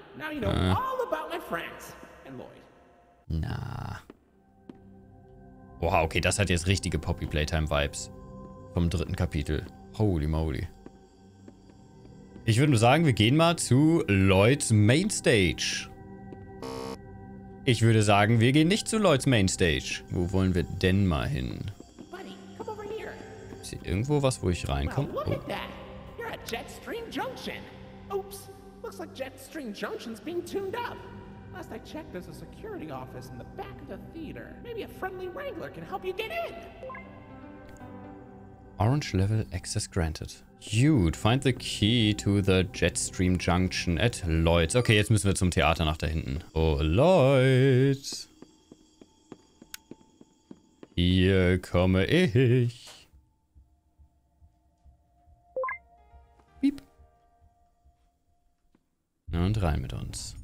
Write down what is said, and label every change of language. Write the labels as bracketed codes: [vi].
[en] Now you know all about my friends and Lloyd. [de] Na. Wow, okay, das hat jetzt richtige Poppy Playtime-Vibes. Vom dritten Kapitel. [en] Holy moly. [de] Ich würde nur sagen, wir gehen mal zu Lloyds Mainstage. Ich würde sagen, wir gehen nicht zu Lloyds Mainstage. Wo wollen wir denn mal hin? [en] Buddy, come over here. [de] Ist hier irgendwo was, wo ich reinkomme? [en] Well, look at that. You're at Jetstream Junction. Oops, looks like Jetstream Junction's being tuned up. Last I checked, there's a security office in the back of the theater. Maybe a friendly Wrangler can help you get in. Orange Level Access granted. Dude, find the key to the Jetstream Junction at Lloyd's. [de] Okay, jetzt müssen wir zum Theater nach da hinten. Oh, Lloyd's. Hier komme ich. Piep. Und rein mit uns.